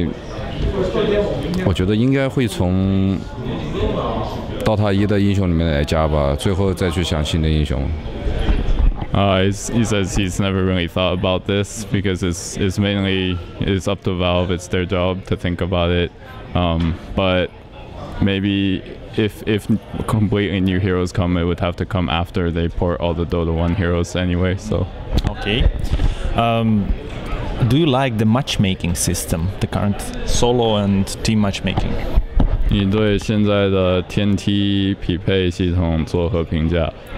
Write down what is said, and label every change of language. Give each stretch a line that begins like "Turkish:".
Chinese: 我很少去想这个吧，我觉得这是威慑的工作，然后应该，我觉得应该会从 DOTA 1的英雄里面来加吧，最后再去想新的英雄。
English: He says he's never really thought about this because it's mainly up to Valve. It's their job to think about it. But maybe if completely new heroes come, it would have to come after they port all the Dota 1 heroes anyway. So, okay. Do you like the matchmaking system, the current solo and team matchmaking?
Chinese: 你对现在的天梯匹配系统作何评价？